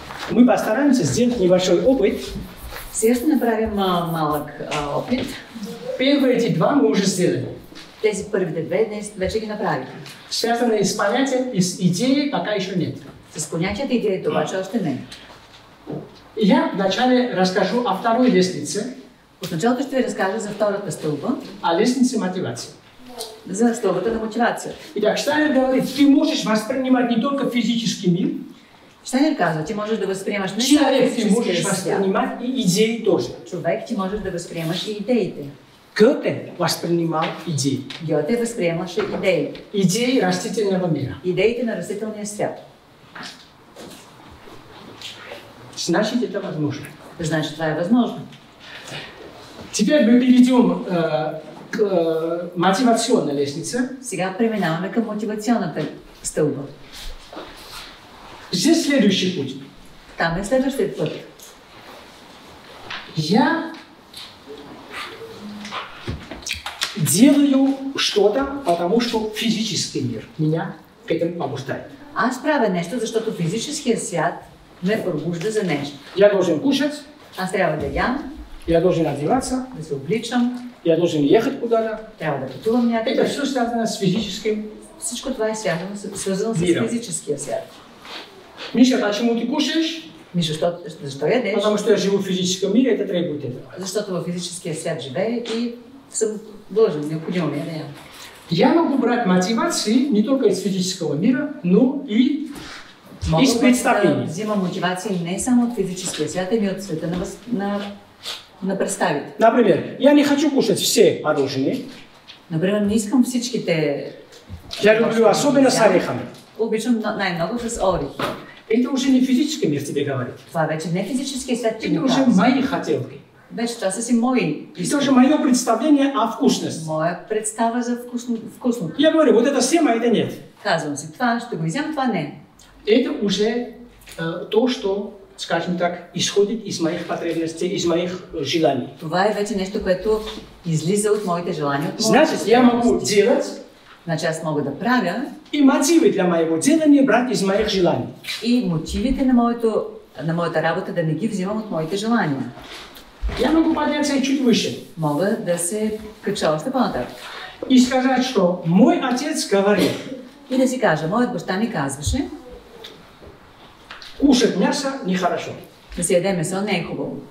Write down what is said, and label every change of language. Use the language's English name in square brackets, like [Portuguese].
[Russian] Мы постараемся сделать небольшой опыт. [Bulgarian] Сейчас направим малок опыт. [Russian] Первые эти два мы уже сделали. [Bulgarian] Тези първите две днес вече ги направихме. [Russian] Связано с понятием и с идеей пока еще нет. [Bulgarian] С понятията и идеята обаче още не. [Russian] Я вначале расскажу о второй лестнице. [Bulgarian] От началото ще ви разкажа за втората стълба. [Russian] А лестница мотивация. [Bulgarian] За стълбата на мотивация. [Russian] Итак, Штайнер говорит, ты можешь воспринимать не только физический мир. [Bulgarian] Штайнер казва, ти можеш да възприемаш не само физическия свят. [Russian] Человек, ты можешь воспринимать и идеи тоже. [Bulgarian] Човек, ти можеш да възприемаш и идеите. [Russian] Гёте воспринимал идеи. [Bulgarian] Гёте възприемаше идеи. [Russian] Идеи растителного мира. [Bulgarian] Идеите на растителния свят. [Russian] Значит, это возможно. Значит, это возможно. Теперь мы перейдем к мотивационной лестнице. [Bulgarian] Сега преминаваме към мотивационната стълба. [Russian] Здесь следующий путь. [Bulgarian] Там е следващият път. [Russian] Я делаю что-то, потому что физический мир меня к этому побуждает. [Bulgarian] Аз правя нещо, защото физическия свят ме пробужда за нещо. [Russian] Я должен кушать. [Bulgarian] Аз трябва да ям. [Russian] Я должен одеваться. [Bulgarian] Да се обличам. [Russian] Я должен ехать куда-то. [Bulgarian] Трябва да пътувам някъде. [Russian] Это все связано с физическим. [Bulgarian] Всичко това е связано с физическия свят. [Russian] Миша, почему ты кушаешь? [Bulgarian] Миша, защо ядеш? [Russian] Потому что я живу в физическом мире, это требует этого. [Bulgarian] Защото в физическия свят живее и съм должен, необходимо ми е да ям. [Russian] Я могу брать мотивации не только из физического мира, но и из представления. [Bulgarian] Мога да взимам мотивации не само от физическия свят, а и от света на представите. [Russian] Например, я не хочу кушать все мороженые. [Bulgarian] Например, не искам всичките... [Russian] Я люблю особенно с орехами. [Bulgarian] Обичам най-много с орехи. [Russian] Это уже не физический мир тебе говорит. [Bulgarian] Това вече не физическия свят ти ми казва. [Russian] Это уже мои хотелки. [Bulgarian] Вече това са си мои. [Russian] И то же мое представление о вкусности. [Bulgarian] Моя представа за вкусното. [Russian] Я говорю, вот это съм, а это нет. [Bulgarian] Казвам си, това ще го изям, това не. [Russian] Это уже то, что, скажем так, исходит из моих потребностей, из моих желаний. [Bulgarian] Това е вече нещо, което излиза от моите желания. [Russian] Значит, я могу делать... [Bulgarian] Значи аз мога да правя... [Russian] И мотиви для моего делания брать из моих желаний. [Bulgarian] И мотивите на моята работа да не ги взимам от моите желания. [Russian] Я могу подняться чуть выше. [Bulgarian] Мога да се кача още по-нататък. [Russian] И сказать, что мой отец говорил. [Bulgarian] И да си кажа, моят баща ми казваше. [Russian] Кушать мясо нехорошо. [Bulgarian] Да си яде месо не е хубаво.